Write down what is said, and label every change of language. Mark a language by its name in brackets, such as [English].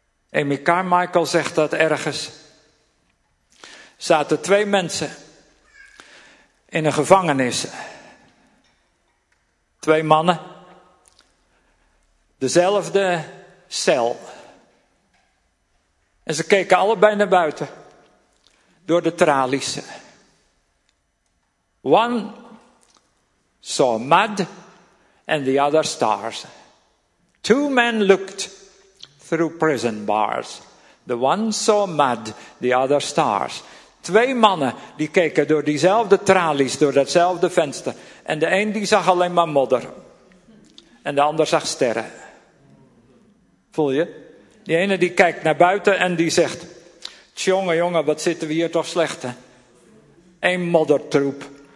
[Dutch] Amy Carmichael zegt dat ergens. Zaten twee mensen in een gevangenis. Twee mannen. Dezelfde cel. En ze keken allebei naar buiten. Door de tralies. [English] One saw mud and the other stars. Two men looked through prison bars. The one saw mud, the other stars. [Dutch] Twee mannen die keken door diezelfde tralies, door datzelfde venster. En de een die zag alleen maar modder. En de ander zag sterren. Voel je? Die ene die kijkt naar buiten en die zegt, Tjonge jonge, wat zitten we hier toch slecht, hè? Een moddertroep.